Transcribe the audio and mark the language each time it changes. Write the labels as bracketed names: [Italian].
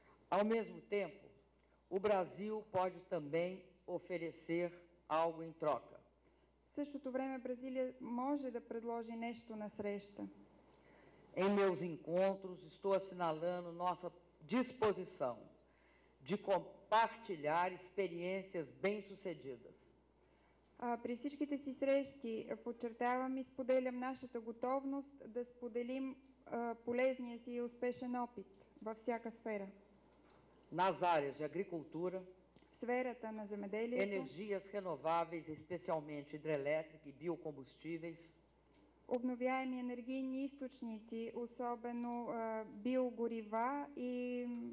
[Portuguese] Ao mesmo tempo, o Brasil pode também oferecer algo em troca. [Bulgarian] Същото време Бразилия може да предложи нещо на среща. [Portuguese] Em meus encontros, estou assinalando nossa disposição de compartilhar experiências bem-sucedidas. [Bulgarian] При всичките си срещи подчертавам и споделям нашата готовност да споделим полезния си и успешен опит във всяка сфера. [Portuguese] Nas áreas de agricultura, [Bulgarian] в сферата на земеделието, [Portuguese] energias renováveis, especialmente hidrelétrica e biocombustíveis, [Bulgarian] обновяеми енергийни източници, особено биогорива и